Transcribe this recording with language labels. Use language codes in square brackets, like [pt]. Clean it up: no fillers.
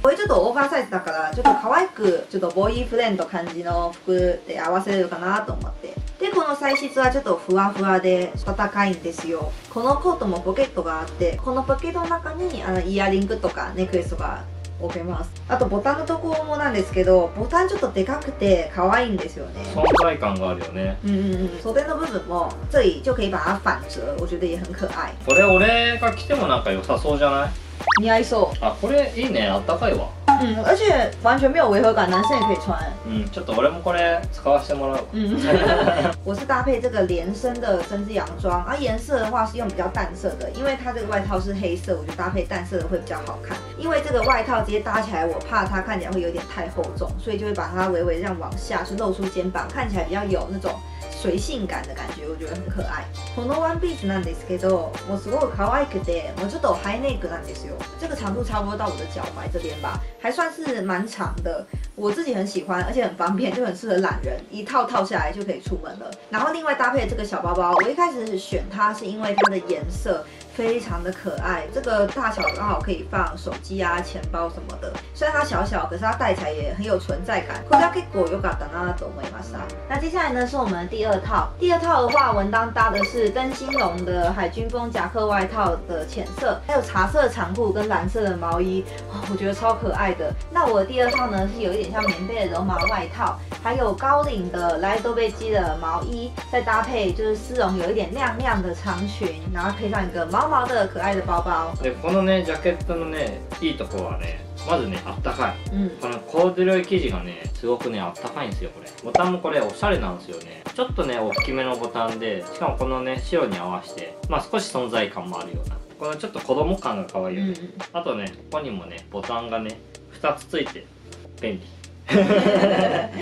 [ja] これちょっとオーバーサイズだから、ちょっと可愛くちょっとボーイフレンド感じの服で合わせるかなと思って。でこの材質はちょっとふわふわで暖かいんですよ。このコートもポケットがあって、このポケットの中にあのイヤリングとかネックレスとか。置けます。あとボタンのところもなんですけど、ボタンちょっとでかくて可愛いんですよね。存在感があるよね。袖の部分も [zh] 这里就可以把它反折，我觉得也很可爱。 [ja] これ俺が着てもなんか良さそうじゃない？似合いそう。あ、これいいね、あったかいわ。 [zh] 而且完全没有违和感，男生也可以穿。 [ja] ちょっと俺もこれ使わせてもらう。 [zh] 我是搭配这个连身的针织洋装，颜色的话是用比较淡色的，因为它这个外套是黑色，我觉得搭配淡色的会比较好看。因为这个外套直接搭起来，我怕它看起来会有点太厚重，所以就会把它微微这样往下，是露出肩膀，看起来比较有那种随性感的感觉，我觉得很可爱。 [ja] このワンピースなんですけど、もうすごい可愛くて、もうちょっとハイネックなんですよ。 [zh] 这个长度差不多到我的脚踝这边吧，还算是蛮长的。我自己很喜欢，而且很方便，就很适合懒人，一套套下来就可以出门了。然后另外搭配这个小包包，我一开始选它是因为它的颜色非常的可爱，这个大小刚好可以放手机啊、钱包什么的。虽然它小小，可是它戴起来也很有存在感。 [ja] これは結構良かったなと思いました。 [zh] 那接下来呢是我们的第二套，第二套的话，文当搭的是灯芯绒的海军风夹克外套的浅色，还有茶色长裤跟蓝色的毛衣，我觉得超可爱的。那我的第二套呢是有一点像棉被的绒毛外套，还有高领的莱多贝基的毛衣，再搭配就是丝绒有一点亮亮的长裙，然后配上一个毛毛的可爱的包包。 [ja] でこのねジャケットのねいいとこはね、まずね、あったかい、うん、このコーデュロイ生地がね、すごくね、あったかいんですよ、これ。ボタンもこれ、おしゃれなんですよね。ちょっとね、大きめのボタンで、しかもこのね、白に合わせて、まあ少し存在感もあるような。このちょっと子供感が可愛いよね、うん、あとね、ここにもね、ボタンがね、2つついて、便利。